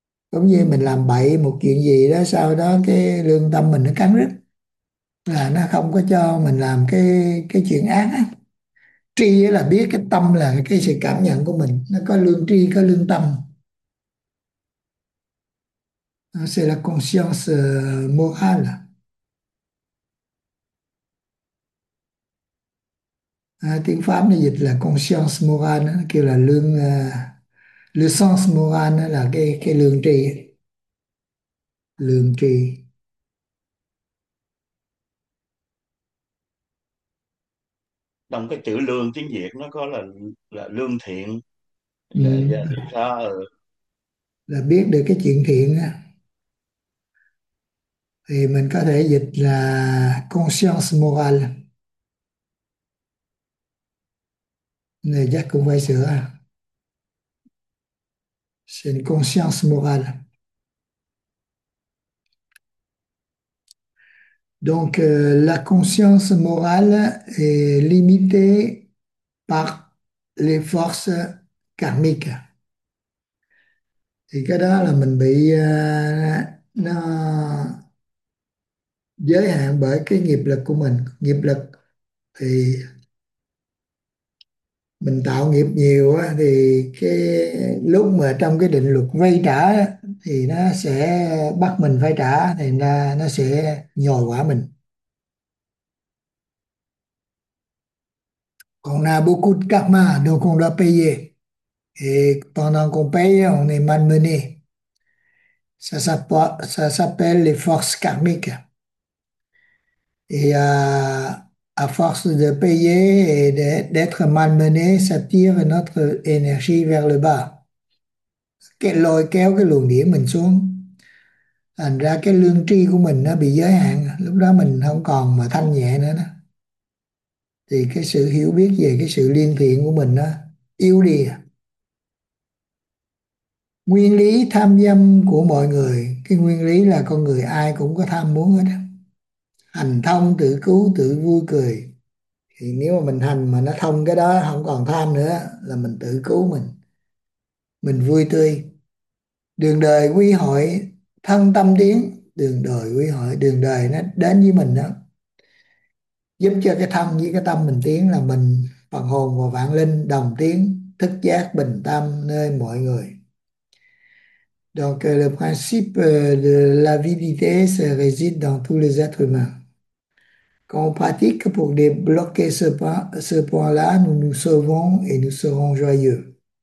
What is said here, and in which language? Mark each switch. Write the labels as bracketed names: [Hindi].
[Vietnamese] Cũng như mình làm bậy một chuyện gì đó, sau đó cái lương tâm mình nó cắn rứt, là nó không có cho mình làm cái chuyện ác á. Tri là biết, cái tâm là cái sự cảm nhận của mình, nó có lương tri, có lương tâm. [French] C'est la conscience morale. [Vietnamese] À, tiếng Pháp nó dịch là conscience morale, nó kêu là lương [French] le sens morale, [Vietnamese] nó là cái lương tri. Lương tri. Trong cái chữ lương tiếng Việt nó có là lương thiện Ừ. và sao Là biết được cái chuyện thiện á. Thì mình có thể dịch là conscience morale. Này chắc cũng phải sửa à. [French] C'est une conscience morale. Donc, la conscience morale est limitée par les forces karmiques. [Vietnamese] Thì cái đó là mình bị nó giới hạn bởi cái nghiệp lực của mình. Nghiệp lực thì mình tạo nghiệp nhiều á, thì cái lúc mà trong cái định luật vay trả thì nó sẽ bắt mình phải trả, thì nó sẽ nhồi quả mình. Còn là [French] beaucoup de karma donc on doit payer. Et pendant qu'on paye, on est malmené. Ça s'appelle les forces karmiques. Et à force de payer et d'être malmené, ça tire notre énergie vers le bas. [Vietnamese] Cái lôi kéo cái luồng điển mình xuống. Thành ra cái lương tri của mình nó bị giới hạn. Lúc đó mình không còn mà thanh nhẹ nữa đó. Thì cái sự hiểu biết về cái sự liên thiện của mình đó, yếu đi. Nguyên lý tham dâm của mọi người, cái nguyên lý là con người ai cũng có tham muốn hết. Hành thông tự cứu tự vui cười. Thì nếu mà mình hành mà nó thông cái đó, không còn tham nữa là mình tự cứu mình vui tươi. Đường đời quy hội thân tâm tiến, đường đời quy hội, đường đời nó đến với mình đó, giúp cho cái thân với cái tâm mình tiến, là mình phần hồn và vạn linh đồng tiến, thức giác bình tâm nơi mọi người. [French] Donc le principe de la vérité se réside dans tous les êtres humains. Quand on pratique pour débloquer ce point-là, nous nous sauvons et nous serons joyeux.